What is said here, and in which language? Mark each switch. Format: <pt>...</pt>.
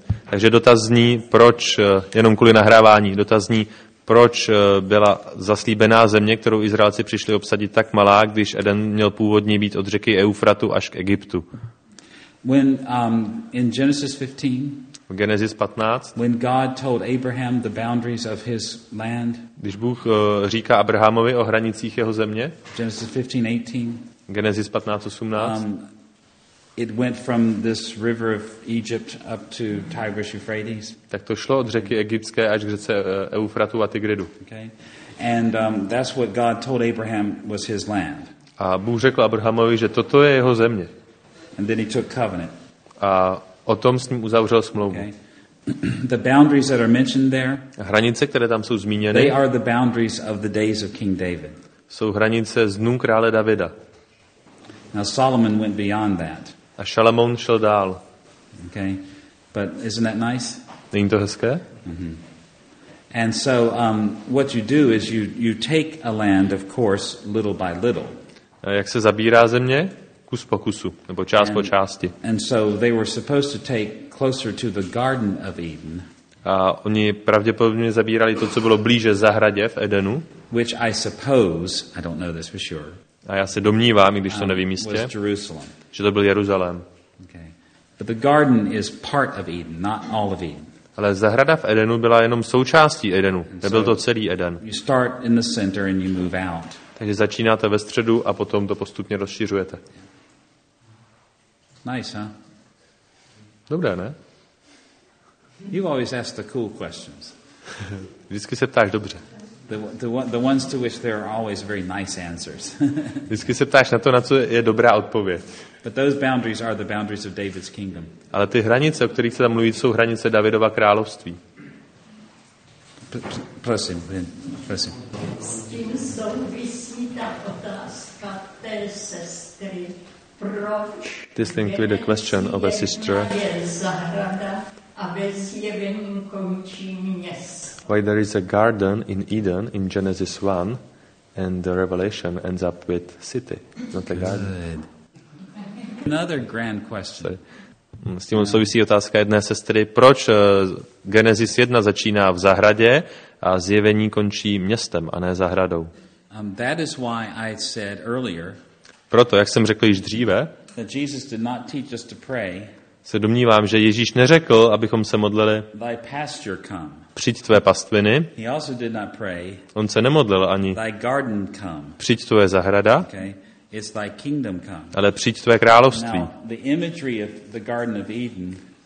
<cs>Takže dotaz zní, proč, jenom kvůli nahrávání, dotaz zní, proč byla zaslíbená země, kterou Izraelci přišli obsadit, tak malá, když Eden měl původně být od řeky Eufratu až k Egyptu.</cs> <en>In Genesis 15,</en> <cs>v Genesis 15,</cs> <en>when God told Abraham the boundaries of his land,</en> <cs>když Bůh říká Abrahamovi o hranicích jeho země,</cs> <en>Genesis 15, 18,</en> <cs>Genesis 15, 18,</cs> <en>it went from this river of Egypt up to Tigris Euphrates.</en> <cs>Tak to šlo od řeky egyptské až k řece Eufratu a Tigridu.</cs> <en>Okay. And that's what God told Abraham was his land.</en> <cs>A Bůh řekl Abrahamovi, že toto je jeho země.</cs> <en>And then he took covenant.</en> <cs>A o tom s ním uzavřel smlouvu.</cs> <en>Okay. The boundaries that are mentioned there.</en> <cs>Hranice, které tam jsou zmíněny.</cs> <en>They are the boundaries of the days of King David.</en> <cs>Jsou hranice z dnů krále Davida.</cs> <en>Now Solomon went beyond that.</en> <cs>A Šalamoun šel dál.</cs> <en>Okay. But isn't that nice?</en> <cs>Není to hezké? Mm-hmm.</cs> <en>And so what you do is you take a land, of course, little by little.</en> <cs>A jak se zabírá země? Kus po kusu, nebo část po části.</cs> <en>And so they were supposed to take closer to the Garden of Eden.</en> <cs>A oni pravděpodobně zabírali to, co bylo blíže zahradě v Edenu.</cs> <en>Which I suppose, I don't know this for sure.</en> <cs>A já se domnívám, i když to nevím jistě, že to byl Jeruzalém.</cs> <en>Okay. But the garden is part of Eden, not all of Eden.</en> <cs>Ale zahrada v Edenu byla jenom součástí Edenu. Nebyl to celý Eden.</cs> <en>You start in the center and you move out.</en> <cs>Takže začínáte ve středu a potom to postupně rozšiřujete.</cs> <en>Nice, huh?</en> <cs>Dobré, ne?</cs> <en>You always ask the cool questions.</en> <cs>Vždycky se ptáš dobře.</cs> <en>The ones to which there are always very nice answers.</en> <cs>Vždycky se ptáš na to, na co je dobrá odpověď.</cs> <en>But those boundaries are the boundaries of David's kingdom.</en> <cs>Ale ty hranice, o kterých se tam mluví, jsou hranice Davidova království. Prosím. S tím souvisí ta otázka té sestry, proč</cs> <en>this thing with the question of a sister.</en> <cs>Je zahrada a bez jevení končí město.</cs> <en>Why there is a garden in Eden in Genesis 1 and the Revelation ends up with city, not a garden. Another grand question. Sorry.</en> <cs>S tím souvisí otázka jedné sestry. Proč Genesis 1 začíná v zahradě a zjevení končí městem a ne zahradou?</cs> <en>That is why I said earlier,</en> <cs>proto, jak jsem řekl již dříve,</cs> <en>that Jesus did not teach us to pray,</en> <cs>se domnívám, že Ježíš neřekl, abychom se modlili</cs> <en>thy pasture come.</en> <cs>Přijď tvé pastviny.</cs> <en>He also did not pray,</en> <cs>on se nemodlil ani</cs> <en>thy garden come.</en> <cs>Přijď tvoje zahrada.</cs> <en>Okay. It's thy kingdom come.</en> <cs>Ale přijď tvé království.</cs> <en>Now, the imagery of the Garden of Eden,</en>